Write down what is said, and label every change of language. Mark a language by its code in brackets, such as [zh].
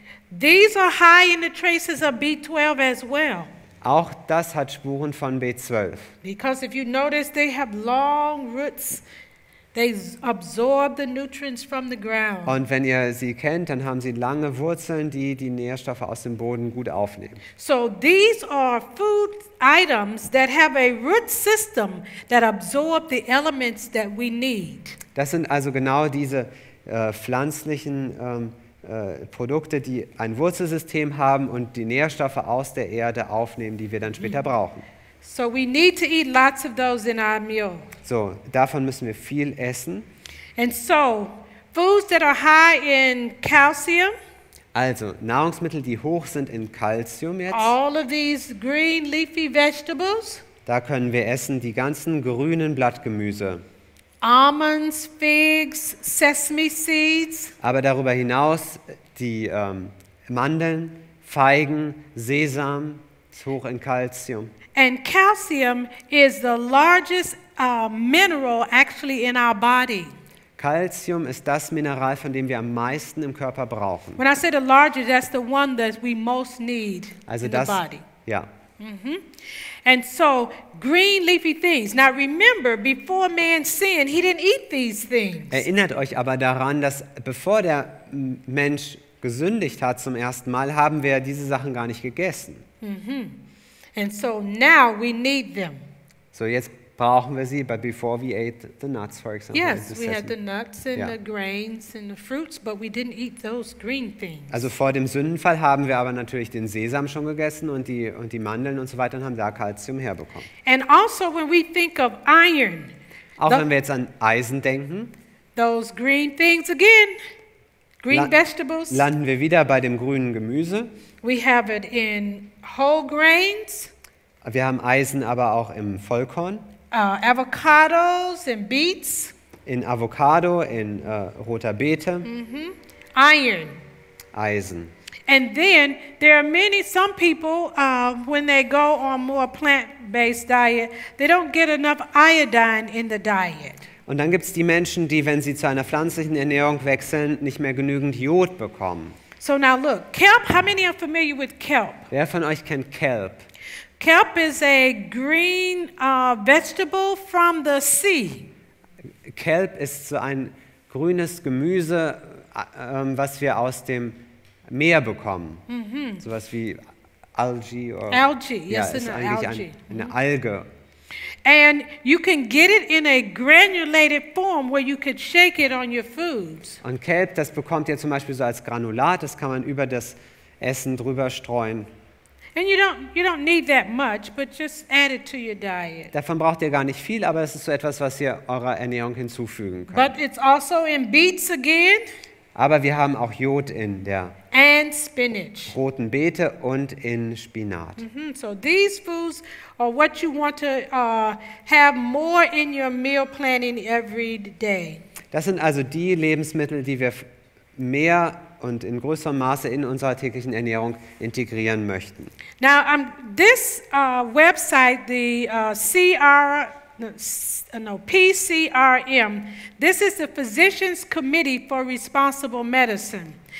[en] These are high in the traces of B12 as well. [de] Auch das hat Spuren von B12. [en] Because if you notice, they have long roots. They absorb the nutrients from the ground. [de] Und wenn ihr sie kennt, dann haben sie lange Wurzeln, die Nährstoffe aus dem Boden gut aufnehmen. [en] So these are food items that have a root system that absorb the elements that we need. [de] Das sind also genau diese pflanzlichen Produkte, die ein Wurzelsystem haben und die Nährstoffe aus der Erde aufnehmen, die wir dann später brauchen. [en] So we need to eat lots of those in our meal. [de] So, davon müssen wir viel essen. [en] And so, foods that are high in calcium. [de] Also, Nahrungsmittel, die hoch sind in Calcium jetzt. [en] All of these green leafy vegetables. [de] Da können wir essen die ganzen grünen Blattgemüse. [en] Almonds, figs, sesame seeds. [de] Aber darüber hinaus die Mandeln, Feigen, Sesam, ist hoch in Calcium. [en] And calcium is the largest mineral actually in our body. [de] Calcium ist das Mineral, von dem wir am meisten im Körper brauchen. [en] When I say the largest, that's the one that we most need [de] also in das, [en] the body. [de] Ja. [en] Mm-hmm. And so, green leafy things. Now remember, before man sinned, he didn't eat these things. [de] Erinnert euch aber daran, dass bevor der Mensch gesündigt hat zum ersten Mal, haben wir diese Sachen gar nicht gegessen. [en] Mm-hmm. And so now we need them. [de] So jetzt brauchen wir sie, [en] but before we ate the nuts, for example. Yes, we had the nuts and the grains and the fruits, but we didn't eat those green things. [de] Also vor dem Sündenfall haben wir aber natürlich den Sesam schon gegessen und die Mandeln und so weiter und haben da Kalzium herbekommen. [en] And also when we think of iron. [de] Auch wenn wir jetzt an Eisen denken. [en] Those green things again. Green vegetables. [de] Landen wir wieder bei dem grünen Gemüse. [en] We have it in whole grains. [de] Wir haben Eisen aber auch im Vollkorn. [en] Avocados and beets. [de] In Avocado, in roter Beete. [en] Mm-hmm. Iron. [de] Eisen. [en] And then there are many, some people, when they go on more plant-based diet, they don't get enough iodine in the diet. [de] Und dann gibt's die Menschen, die, wenn sie zu einer pflanzlichen Ernährung wechseln, nicht mehr genügend Jod bekommen. [en] So now look, kelp, how many are familiar with kelp? [de] Wer von euch kennt Kelp? [en] Kelp is a green vegetable from the sea. [de] Kelp ist so ein grünes Gemüse, was wir aus dem Meer bekommen. Mm-hmm. Sowas wie Algae. [en] Algae, [de] yes, ist eigentlich algae. Eine Alge. [en] And you can get it in a granulated form where you could shake it on your foods. [de] Und Kelp, das bekommt ihr zum Beispiel so als Granulat, das kann man über das Essen drüber streuen. [en] And you don't need that much, but just add it to your diet. [de] Davon braucht ihr gar nicht viel, aber es ist so etwas, was ihr eurer Ernährung hinzufügen könnt. [en] But it's also in beets again. [de] Aber wir haben auch Jod in der [en] and spinach. [de] Roten Beete und in Spinat. Mm-hmm. [en] So these foods are what you want to have more in your meal planning every day. [de] Das sind also die Lebensmittel, die wir mehr und in größerem Maße in unserer täglichen Ernährung integrieren möchten. [en] Now, this website, the PCRM, this is the Physicians Committee for Responsible Medicine.